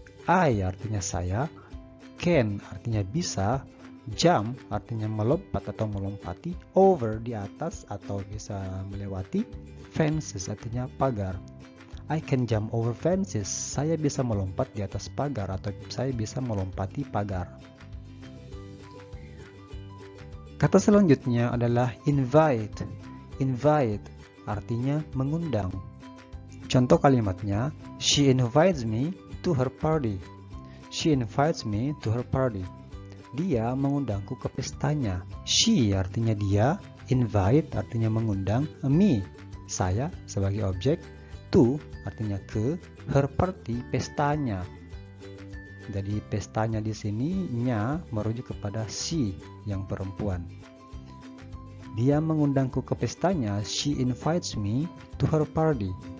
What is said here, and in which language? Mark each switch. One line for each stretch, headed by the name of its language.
Indonesian: I artinya saya, can artinya bisa, jump artinya melompat atau melompati, over di atas atau bisa melewati, fences artinya pagar.
English: I can jump over fences.
Indonesian: Saya bisa melompat di atas pagar atau saya bisa melompati pagar. Kata selanjutnya adalah invite. Invite artinya mengundang. Contoh kalimatnya,
English: she invites me to her party. She invites me to her party.
Indonesian: Dia mengundangku ke pestanya. She artinya dia, invite artinya mengundang, me saya sebagai objek, to artinya ke,
English: her party
Indonesian: pestanya. Jadi pestanya di sini nya merujuk kepada she yang perempuan. Dia mengundangku ke pestanya.
English: She invites me to her party.